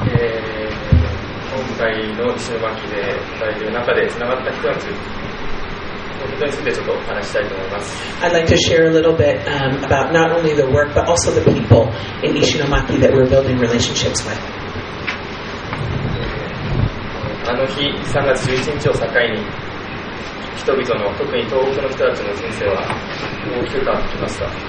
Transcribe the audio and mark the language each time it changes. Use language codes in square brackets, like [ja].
[ja] 今回の石巻で働いている中でつながった人たちについてちょっとお話したいと思います。 [en] I'd like to share a little bit about not only the work but also the people in Ishinomaki that we're building relationships with. [ja] この日3月11日を境に人々の特に東北の人たちの人生は大きく変わってきました。